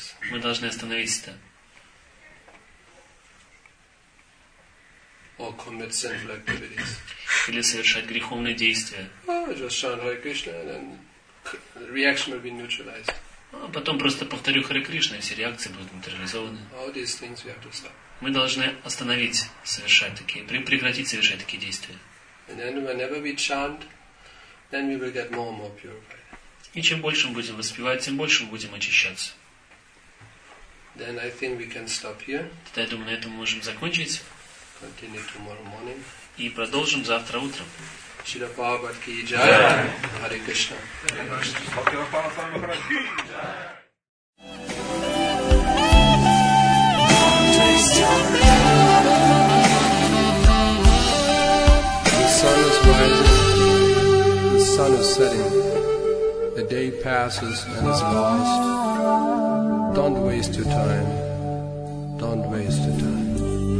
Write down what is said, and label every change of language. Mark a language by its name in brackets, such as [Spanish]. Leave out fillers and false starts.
[Russian] Мы должны остановить это. [English] Or commit sinful activities. [Russian] или совершать греховные действия. [English] Just chant Hare Krishna, and then reaction will be neutralized. [Russian] А потом просто повторю Харе Кришна, и все реакции будут нейтрализованы. [English] All these things we have to stop. [Russian] Мы должны остановить, совершать такие, прекратить совершать такие действия. [English] And then whenever we chant, then we will get more and more purified. [Russian] И чем больше мы будем воспевать, тем больше мы будем очищаться. [English] Then I think we can stop here. [Russian] Тогда, я думаю, на этом мы можем закончить. [English] Continue tomorrow morning. [Russian] И продолжим завтра утром. Шрила Прабхупада ки джай. Харе Кришна. [English] The sun is setting, the day passes and is lost. Don't waste your time, don't waste your time.